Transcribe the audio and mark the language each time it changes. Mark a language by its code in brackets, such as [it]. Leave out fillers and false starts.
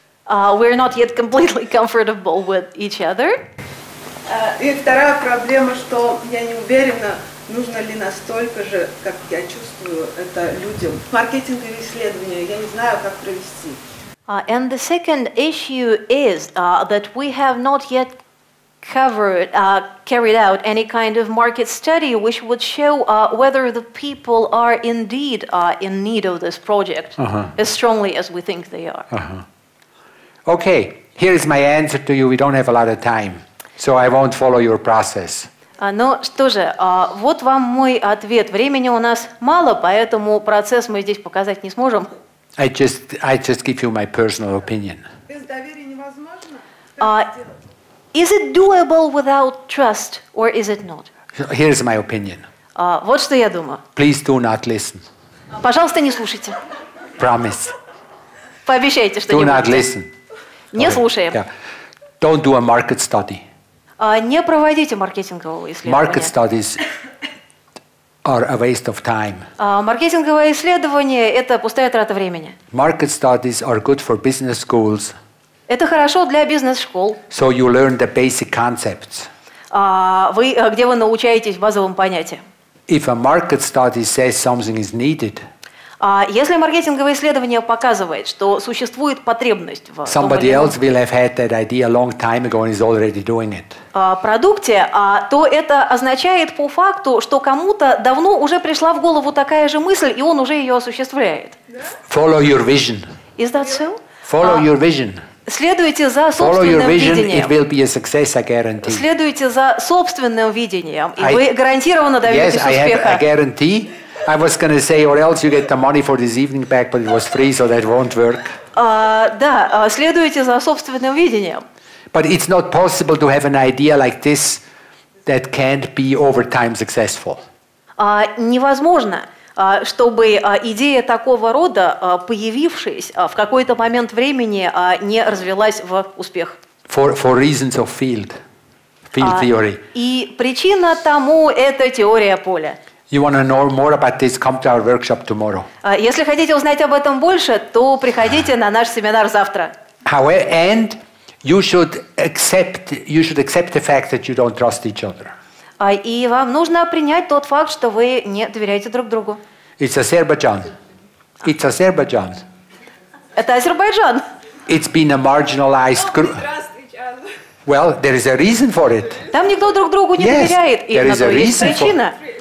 [en] We're not yet completely comfortable with each other. [ru] И вторая проблема, что я не уверена, нужно ли настолько же, как я чувствую, это людям. Маркетинговые исследования, я не знаю, как провести. [en] And the second issue is that we have not yet carried out any kind of market study which would show whether the people are indeed in need of this project as strongly as we think they are. Okay, here is my answer to you. We don't have a lot of time, so I won't follow your process. [ru] Ну что же, вот вам мой ответ. Времени у нас мало, поэтому процесс мы здесь показать не сможем. [en] I just give you my personal opinion. [ru] Без доверия невозможно? [en] Is it doable without trust, or is it not? Here is my opinion. [ru] Вот что я думаю. [en] Please do not listen. [ru] Пожалуйста, не слушайте. [en] Promise. [ru] Пообещайте, что [en] do [ru] не будете. [en] Do not listen. [ru] Не слушаем. [en] Yeah. Don't do a market study. [ru] Не проводите маркетингового исследования. [en] Market studies are a waste of time. [ru] Маркетинговое исследование – это пустая трата времени. [en] Market studies are good for business schools. [ru] Это хорошо для бизнес-школ. [en] So you learn the basic concepts. [ru] Где вы научаетесь базовым понятиям? [en] If a market study says something is needed. [ru] Если маркетинговое исследование показывает, что существует потребность в [en] Somebody else will have had that idea long time ago and is already doing it. [ru] Продукте, то это означает по факту, что кому-то давно уже пришла в голову такая же мысль, и он уже ее осуществляет. [en] Follow your vision. Is that so? Follow your vision. [ru] Следуйте за собственным видением. [en] It will be a success, I guarantee. [ru] Следуйте за собственным видением, и вы гарантированно добьетесь успеха. [en] Yes, I have a guarantee. I was going to say, or else you get the money for this evening back, but it was free, so that won't work. [ru] Следуйте за собственным видением. [en] But it's not possible to have an idea like this that can't be over time successful. [ru] Невозможно, чтобы идея такого рода, появившись в какой-то момент времени, не развилась в успех. [en] For reasons of field theory. [ru] И причина тому – это теория поля. [en] You want to know more about this? Come to our workshop tomorrow. [ru] Если хотите узнать об этом больше, то приходите на наш семинар завтра. [en] And you should accept the fact that you don't trust each other. [ru] И вам нужно принять тот факт, что вы не доверяете друг другу. [en] It's Azerbaijan. It's Azerbaijan. [ru] Это Азербайджан. [en] It's been a marginalized group. Well, there is a reason for it. [ru] Там никто друг другу не доверяет, и на то есть причина.